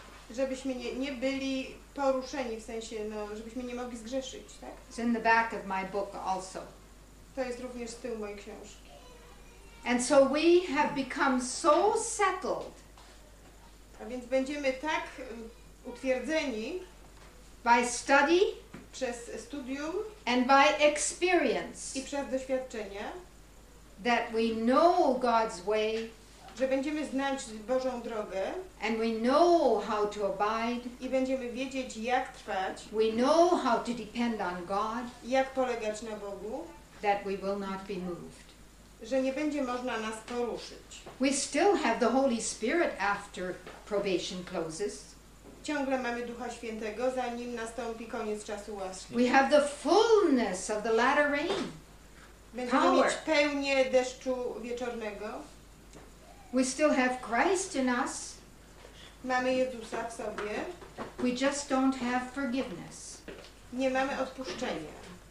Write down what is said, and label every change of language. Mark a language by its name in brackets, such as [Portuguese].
[Polish] Żebyśmy nie byli poruszeni, w sensie, no, żebyśmy nie mogli zgrzeszyć, tak? [English] It's in the back of my book also. [Polish] To jest również z tyłu mojej książki. [English] And so we have become so settled. [Polish] A więc będziemy tak utwierdzeni [English] by study [Polish] przez studium [English] and by experience [Polish] i przez doświadczenia [English] that we know God's way [Polish] że będziemy znać Bożą drogę [English] and we know how to abide [Polish] i będziemy wiedzieć jak trwać [English] we know how to depend on God [Polish] jak polegać na Bogu [English] that we will not be moved [Polish] że nie będzie można nas poruszyć. [English] We still have the Holy Spirit after probation closes. [Polish] Ciągle mamy Ducha Świętego, zanim nastąpi koniec czasu łaski. [English] We have the fullness of the latter rain. [Polish] Będziemy mieć pełnię deszczu wieczornego. [English] We still have Christ in us. [Polish] Mamy Jezusa w sobie. [English] We just don't have forgiveness. [Polish] Nie mamy odpuszczenia.